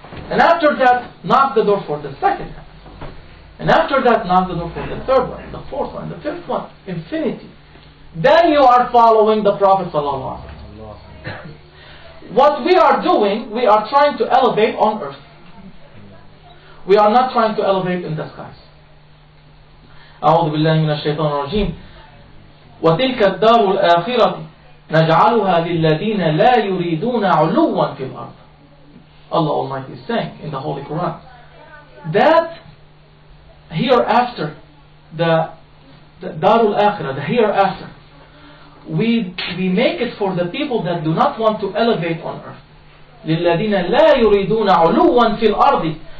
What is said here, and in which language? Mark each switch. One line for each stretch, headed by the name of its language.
English: And after that, knock the door for the second heaven. And after that, knock the door for the third one, the fourth one, the fifth one, infinity. Then you are following the Prophet ﷺ. What we are doing, we are trying to elevate on earth. We are not trying to elevate in the skies.
Arabic: أعوذ بالله من الشيطان الرجيم وتلك الدار الآخرة نجعلها للذين لا يريدون علوا في الأرض.
English: Allah Almighty is saying in the Holy Quran that hereafter, the Darul Akhirah, the hereafter, we make it for the people that do not want to elevate on earth.
Arabic: لِلَّذِينَ لَا يُرِيدُونَ عُلُوًا فِي الْأَرْضِ.